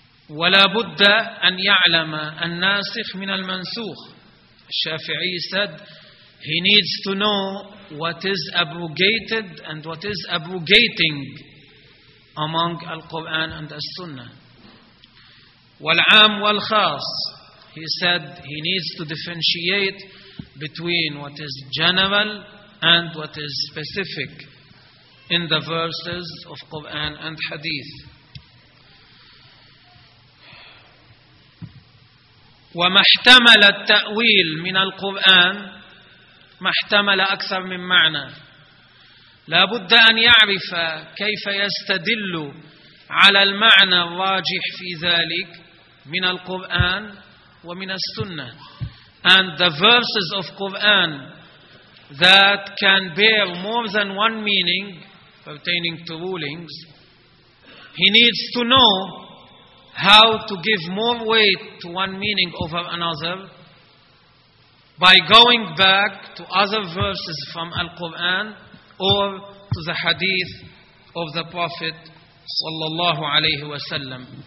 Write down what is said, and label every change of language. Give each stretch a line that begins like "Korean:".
Arabic: ولا بد أن يعلم الناسخ من المنسوخ.
English: الشافعي said he needs to know what is abrogated and what is abrogating among Al-Quran and As-Sunnah.
Arabic: والعام والخاص.
English: He said he needs to differentiate between what is general and what is specific in the verses of Quran and Hadith.
Arabic: وما احتمل التأويل من القرآن ما احتمل أكثر من معنى لا بد أن يعرف كيف يستدل على المعنى الراجح في ذلك من القرآن ومن السنة.
English: And the verses of Quran that can bear more than one meaning pertaining to rulings, he needs to know how to give more weight to one meaning over another by going back to other verses from Al-Quran or to the hadith of the Prophet
Arabic: sallallahu alayhi wa sallam.